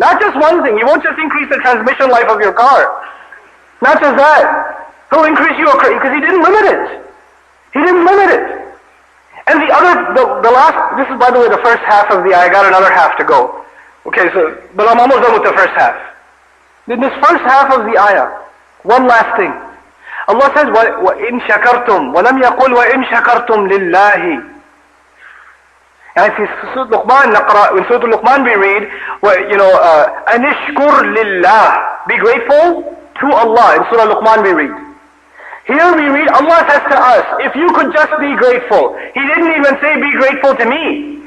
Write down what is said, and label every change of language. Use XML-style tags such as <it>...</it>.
<en>Not just one thing. He won't just increase the transmission life of your car. Not just that. He'll increase you, because He didn't limit it. He didn't limit it. And the other, the last, this is by the way, the first half of the ayah. I got another half to go. Okay, so, but I'm almost done with the first half. In this first half of the ayah, one last thing. Allah says,</en> <ar>وَإِن شَكَرْتُمْ وَلَمْ يَقُلْ وَإِن شَكَرْتُمْ لِلَّهِ.</ar> <en>And if in Surah Luqman we read, you know,</en> <ar>أَنِشْكُرْ لِلَّهِ.</ar> <en>Be grateful to Allah. In Surah Luqman we read. Here we read, Allah says to us, if you could just be grateful. He didn't even say, be grateful to me.</en>